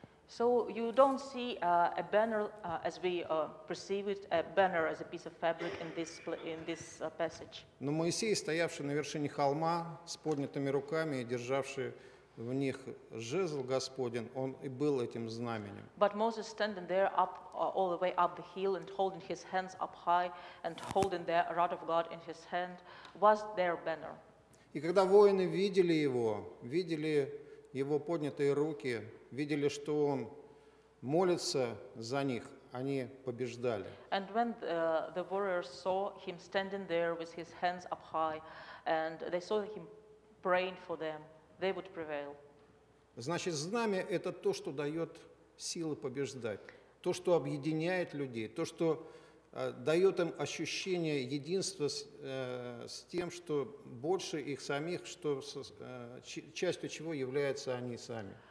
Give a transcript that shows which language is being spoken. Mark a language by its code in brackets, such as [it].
[en] So you don't see a banner as we perceive it, a banner as a piece of fabric in this passage. [ru] Но Моисей, стоявший на вершине холма с поднятыми руками и державший в них жезл Господень, он и был этим знаменем. [en] But Moses standing there up all the way up the hill and holding his hands up high and holding the rod of God in his hand was their banner. [ru] И когда воины видели его, видели его поднятые руки, видели, что он молится за них, они побеждали. [en] And when the warriors saw him standing there with his hands up high, and they saw him praying for them, they would prevail. [ru] Значит, знамя – это то, что дает силы побеждать, то, что объединяет людей, то, что дает им ощущение единства с тем, что больше их самих, что частью чего являются они сами.